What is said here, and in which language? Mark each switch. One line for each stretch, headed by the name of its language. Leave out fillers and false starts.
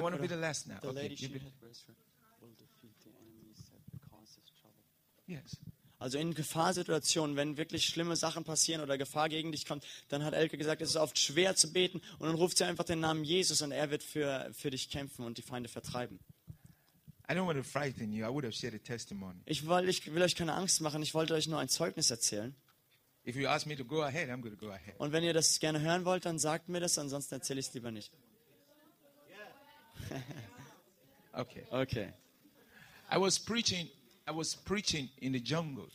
English: You want to be the last now? The okay. Lady, she had restroom, will defeat the enemies that causes trouble. Yes.
German: Also in Gefahrsituationen, wenn wirklich schlimme Sachen passieren oder Gefahr gegen dich kommt, dann hat Elke gesagt, es ist oft schwer zu beten und dann ruft sie einfach den Namen Jesus und er wird für dich kämpfen und die Feinde vertreiben.
English: I don't want to frighten you. I would have shared a testimony.
German: Ich will euch keine Angst machen. Ich wollte euch nur ein Zeugnis erzählen.
English: If you ask me to go ahead, I'm going to go ahead.
German: Und wenn ihr das gerne hören wollt, dann sagt mir das, ansonsten erzähle ich es lieber nicht.
English: Okay.
German: Okay.
English: I was preaching in the jungle.